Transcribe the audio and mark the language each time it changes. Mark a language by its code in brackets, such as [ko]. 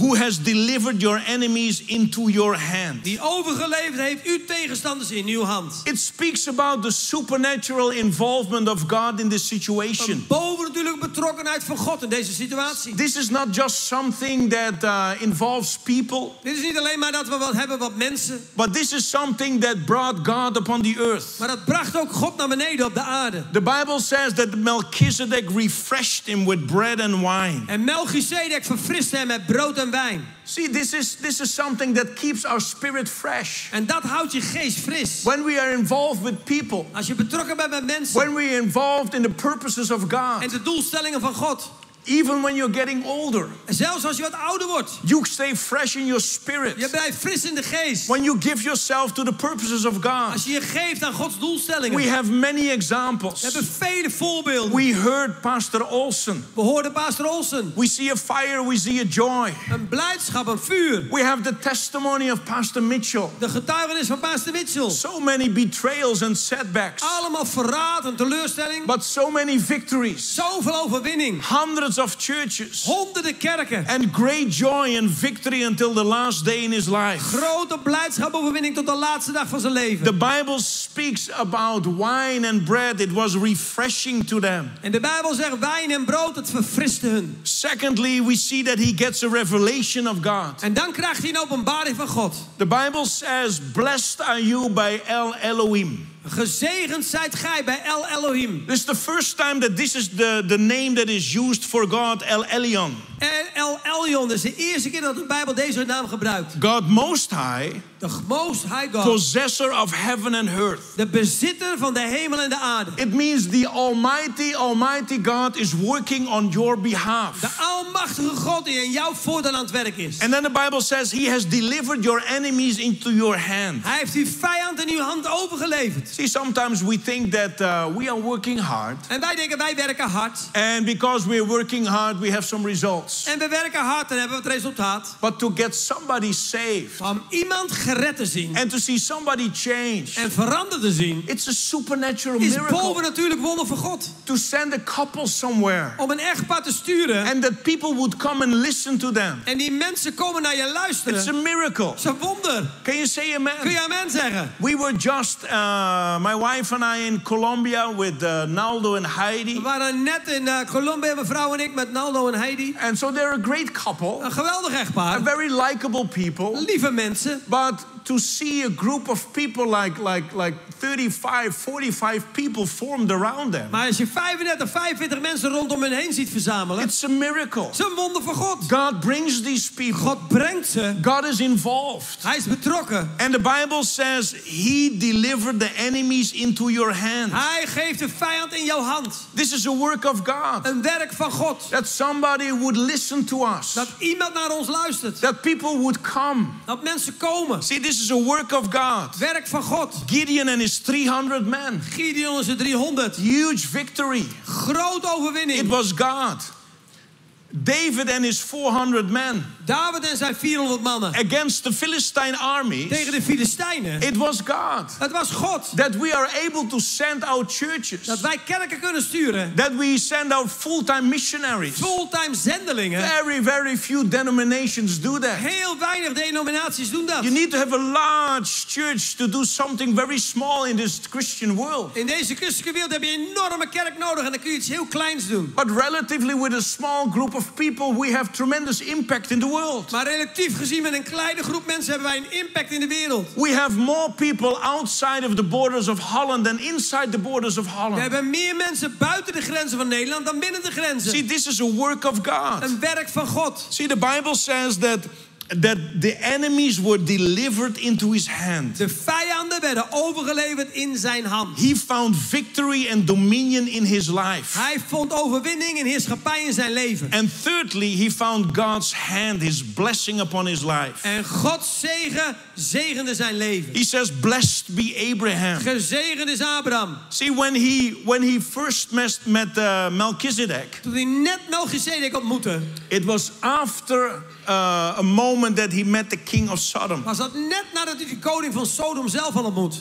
[en] Who has delivered your enemies into your hand. [nl] Die overgeleverd heeft uw tegenstanders in uw hand. [en] It speaks about the supernatural involvement of God in this situation. [nl] Een bovennatuurlijke betrokkenheid van God in deze situatie. [en] This is not just something that involves people. [nl] Dit is niet alleen maar dat we wat hebben wat mensen. [en] But this is something that brought God upon the earth. [nl] Maar dat bracht ook God naar beneden op de aarde. [en] The Bible says that Melchizedek refreshed him with bread and wine. [nl] En Melchizedek verfriste hem met brood en wijn. [en] See, this is something that keeps our spirit fresh. [nl] En dat houdt je geest fris. [en] When we are involved with people. [nl] Als je betrokken bent met mensen. [en] When we are involved in the purposes of God. [nl] En de doelstellingen van God. [en] Even when you're getting older, [nl] zelfs als je wat ouder wordt, [en] you stay fresh in your spirit. [nl] Je blijft fris in de geest. [en] When you give yourself to the purposes of God, [nl] als je je geeft aan Gods doelstellingen, [en] we have many examples. [nl] We hebben vele voorbeelden. [en] We heard Pastor Olsen. [nl] We hoorden Pastor Olsen. [en] We see a fire. We see a joy. [nl] Een blijdschap, een vuur. [en] We have the testimony of Pastor Mitchell. [nl] De getuigenis van Pastor Mitchell. [en] So many betrayals and setbacks. [nl] Allemaal verraad en teleurstelling. [en] But so many victories. [nl] Zoveel overwinning. [en] Of churches. [nl] Honderden kerken. [en] And great joy and victory until the last day in his life. [nl] Grote blijdschap, overwinning tot de laatste dag van zijn leven. [en] The Bible speaks about wine and bread. It was refreshing to them. [nl] En de Bijbel zegt wijn en brood, het verfriste hun. [en] Secondly, we see that he gets a revelation of God. [nl] En dan krijgt hij een openbaring van God. [en] The Bible says, blessed are you by El Elohim. [nl] Gezegend zijt gij bij El Elohim. [en] This is the first time that this is the name that is used for God, El Elyon. [nl] El Elyon, dat is de eerste keer dat de Bijbel deze naam gebruikt. [en] God Most High. [nl] De [en] Most High [nl] God. [en] Possessor of heaven and earth. [nl] De bezitter van de hemel en de aarde. [en] It means the Almighty, Almighty God is working on your behalf. [nl] De Almachtige God die in jouw voordeel aan het werk is. [en] And then the Bible says he has delivered your enemies into your hand. [nl] Hij heeft uw vijand in uw hand overgeleverd. [en] See, sometimes we think that we are working hard. [nl] En wij denken wij werken hard. [en] And because we are working hard, we have some results. [nl] En we werken hard en hebben we het resultaat. [en] But to get somebody saved. [nl] Om iemand gered te zien. [en] And to see somebody change. [nl] En veranderd te zien. [en] It's a supernatural [nl] is [en] miracle. [nl] Is bovennatuurlijk wonder van God. [en] To send a couple somewhere. [nl] Om een echtpaar te sturen. [en] And that people would come and listen to them. [nl] En die mensen komen naar je luisteren. [en] It's a miracle. [nl] Het is een wonder. [en] Can you say amen? [nl] Kun je amen zeggen? [en] We were just my wife and I in Colombia with Naldo and Heidi. [nl] We waren net in Colombia, mevrouw en ik, met Naldo en Heidi. [en] And so they're a great couple. [nl] Een geweldig echtpaar. [en] A very likable people. [nl] Lieve mensen. [en] But to see a group of people like 35, 45 people formed around them. [nl] Maar als je 35 mensen rondom hen heen ziet verzamelen, [en] it's a miracle. [nl] Het is een wonder van God. [en] God brings these people. [nl] God brengt ze. [en] God is involved. [nl] Hij is betrokken. [en] And the Bible says he delivered the enemies into your hand. [nl] Hij geeft de vijand in jouw hand. [en] This is a work of God. [nl] Een werk van God. [en] That somebody would listen to us. [nl] Dat iemand naar ons luistert. [en] That people would come. [nl] Dat mensen komen. [en] See, this is a work of God. [nl] Werk van God. [en] Gideon and his 300 men. [nl] Gideon en zijn 300. [en] Huge victory. [nl] Groot overwinning. [en] It was God. David and his 400 men. [nl] David en zijn 400 mannen. [en] Against the Philistine armies. [nl] Tegen de Filistijnen. [en] It was God. [nl] Het was God. [en] That we are able to send out churches. [nl] Dat wij kerken kunnen sturen. [en] That we send out full-time missionaries. [nl] Full-time zendelingen. [en] Very, very few denominations do that. [nl] Heel weinig denominaties doen dat. [en] You need to have a large church to do something very small in this Christian world. [nl] In deze christelijke wereld heb je een enorme kerk nodig en dan kun je iets heel kleins doen. [en] But relatively with a small group of people, we have tremendous impact in the world. [nl] Maar relatief gezien met een kleine groep mensen hebben wij een impact in de wereld. [en] We have more people outside of the borders of Holland than inside the borders of Holland. [nl] We hebben meer mensen buiten de grenzen van Nederland dan binnen de grenzen. [en] See, this is a work of God. [nl] Een werk van God. [en] See, the Bible says that the enemies were delivered into his hand. [nl] De vijanden werden overgeleverd in zijn hand. [en] He found victory and dominion in his life. [nl] Hij vond overwinning en heerschappij in zijn leven. [en] And thirdly, he found God's hand, his blessing upon his life. [nl] En Gods zegen zegende zijn leven. [en] He says, blessed be Abraham. [nl] Gezegend is Abraham. [en] See, when he first met Melchizedek. [nl] Toen hij net Melchizedek ontmoette. [en] It was after a moment that he met the king of Sodom. [nl] Was dat net nadat hij de koning van Sodom zelf al ontmoet?